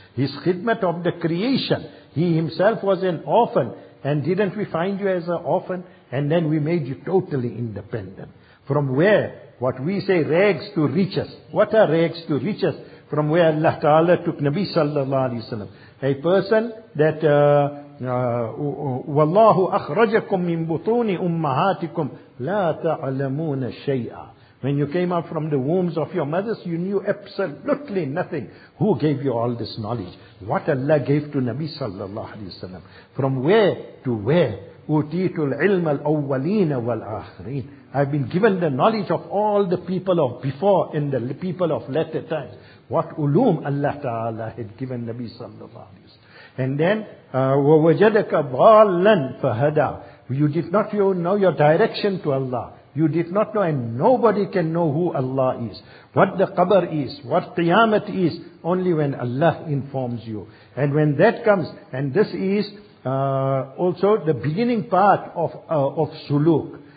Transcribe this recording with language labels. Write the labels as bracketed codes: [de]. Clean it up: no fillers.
[en] His khidmat of the creation. He himself was an orphan. And didn't we find you as an orphan? And then we made you totally independent. From where? What we say, rags to riches. What are rags to riches? From where Allah Ta'ala took Nabi sallallahu alayhi wa sallam. A person that [ar] وَاللَّهُ أَخْرَجَكُمْ مِنْ بُطُونِ أُمَّهَاتِكُمْ لَا تَعْلَمُونَ شَيْئًا. [en] When you came out from the wombs of your mothers, you knew absolutely nothing. Who gave you all this knowledge? What Allah gave to Nabi sallallahu alayhi wa sallam. From where to where? [ar] أُوتِيتُ الْعِلْمَ الْأَوَّلِينَ وَالْآخِرِينَ. [en] I've been given the knowledge of all the people of before and the people of latter times. What uloom Allah Ta'ala had given Nabi sallallahu alayhi wa sallam. And then, [ar] وَوَجَدَكَ ضَالًا فَهَدَى. [en] You did not know your direction to Allah. You did not know, and nobody can know who Allah is. What the qabr is, what qiyamat is, only when Allah informs you. And when that comes, and this is also the beginning part of suluk.